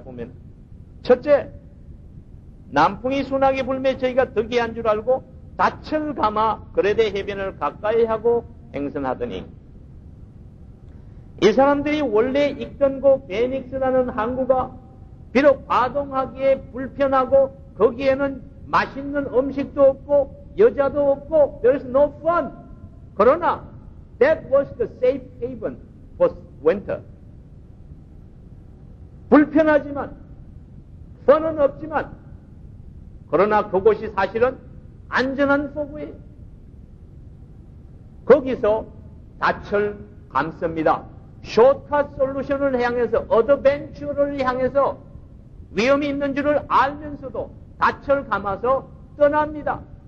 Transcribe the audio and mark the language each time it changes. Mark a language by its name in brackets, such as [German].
[Korean] 보면 첫째, 남풍이 순하게 불매 저희가 득이 한 줄 알고 닻을 감아 그레데 해변을 가까이 하고 행선하더니, 이 사람들이 원래 있던 곳 베닉스라는 항구가 비록 과동하기에 불편하고 거기에는 맛있는 음식도 없고 여자도 없고 [English] there is no fun. [Korean] 그러나 [English] that was the safe haven for winter. [Korean] 불편하지만 fun은 없지만 그러나 그곳이 사실은 안전한 포구에 거기서 닻을 감습니다. 숏컷 솔루션을 향해서 어드벤처를 향해서 위험이 있는 줄을 알면서도 닻을 감아서 떠납니다.